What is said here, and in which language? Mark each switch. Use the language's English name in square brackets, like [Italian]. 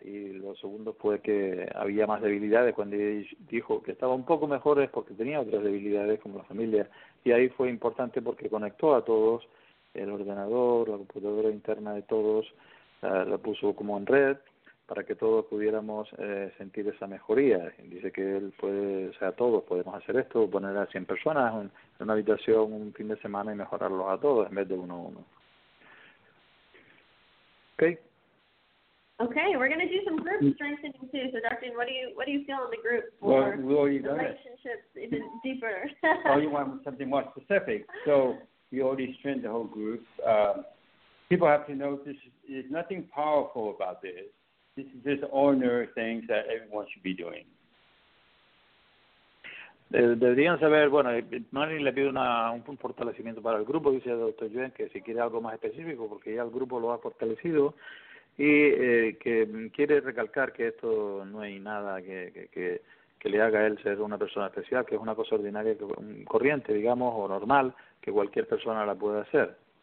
[Spanish] Y lo segundo fue que había más debilidades. Cuando dijo que estaba un poco mejor es porque tenía otras debilidades como la familia, y ahí fue importante porque conectó a todos, el ordenador, la computadora interna de todos, la puso como en red para que todos pudiéramos sentir esa mejoría. Dice que él puede, o sea, todos podemos hacer esto, poner a 100 personas en una habitación un fin de semana y mejorarlos a todos en vez de uno a uno. Okay. [English] Okay, we're going to do some group strengthening too. So, Dr. Yuen, what do you feel in the group for relationships even deeper? Oh, you want something more specific. So, you already strengthened the whole group. People have to know this is nothing powerful about this. this ordinary things that everyone should be doing. [Spanish] Deberían saber, bueno, Marilyn le pide un fortalecimiento para el grupo, dice el doctor Yuen, que si quiere algo más específico, porque ya el grupo lo ha fortalecido, y que quiere recalcar que esto no hay nada que le haga a él ser una persona especial, que es una cosa ordinaria, corriente, digamos, o normal, que cualquier persona la puede hacer.